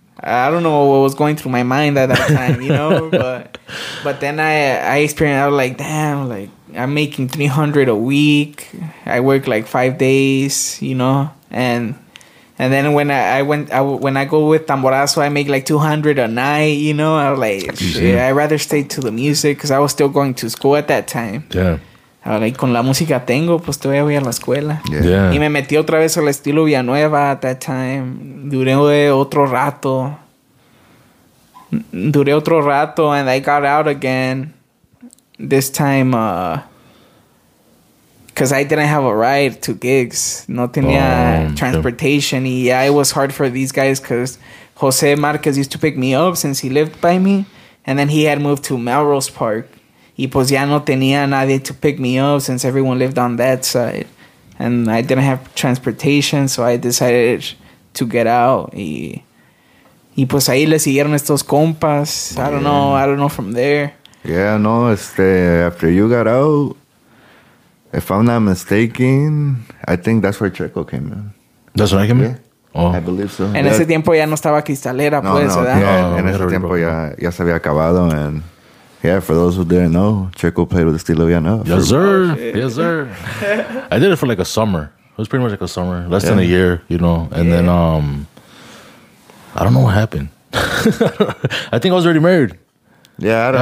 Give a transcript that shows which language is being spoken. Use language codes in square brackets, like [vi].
[en] I don't know what was going through my mind at that time, you know? but then I experienced, I was like, damn, like, I'm making $300 a week. I work like 5 days, you know? And then when I go with Tamborazo, I make like $200 a night, you know? I was like, shit, I'd rather stay to the music because I was still going to school at that time. Yeah. I was like, [es] con la música tengo, pues todavía voy a la escuela. [en] Yeah. [es] Y me metí otra vez al estilo Villanueva [en] at that time. [es] Duré otro rato [en] and I got out again. This time, because I didn't have a ride to gigs. [es] No tenía [en] transportation. Yeah. Y it was hard for these guys because Jose Marquez used to pick me up since he lived by me. And then he had moved to Melrose Park. [es] y pues ya no tenía nadie [en] to pick me up since everyone lived on that side. And I didn't have transportation, so I decided to get out. [es] Y pues ahí le siguieron estos compas. Yeah. [en] I don't know from there. Yeah, no, after you got out, if I'm not mistaken, I think that's where Checo came in. That's where I came in? Oh. I believe so. [es] En ese tiempo ya no estaba Cristalera, pues, ¿verdad? No, en ese tiempo ya se había acabado. [en] And yeah, for those who didn't know, Checo played with Estilo Villanueva. Yes, sir. Yes, sir. I did it for like a summer. It was pretty much like a summer, less than a year, you know. And then I don't know what happened. I think I was already married. Yeah, I don't know.